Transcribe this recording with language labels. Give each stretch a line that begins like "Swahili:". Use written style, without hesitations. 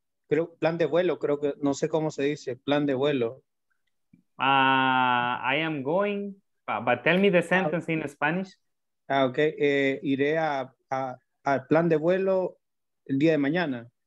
Spanish: Creo, plan de vuelo, creo que, no sé cómo se dice, plan de vuelo.
English: I am going, but tell me the sentence in Spanish. Okay.
Spanish: Iré al plan de vuelo el día de mañana.